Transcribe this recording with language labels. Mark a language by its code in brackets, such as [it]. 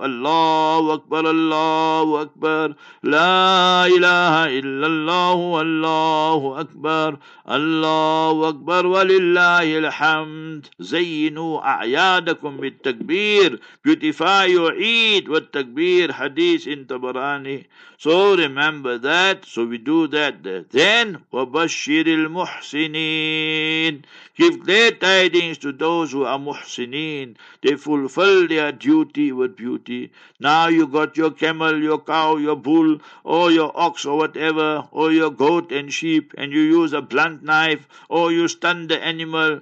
[ar] Allahu Akbar, Allahu Akbar, La ilaha illallahu, Allahu Akbar, Allahu Akbar, walillahi alhamd. زَيِّنُوا أَعْيَادَكُمْ بِالتَّكْبِيرِ. [en] Beautify your Eid with takbir, hadith in Tabarani. So remember that, so we do that. [ar] Then, وَبَشِّرِ الْمُحْسِنِينَ. [en] Give glad tidings to those who are muhsineen. They fulfill their duty with beauty. Now you got your camel, your cow, your bull, or your ox or whatever, or your goat and sheep, and you use a blunt knife, or you stun the animal.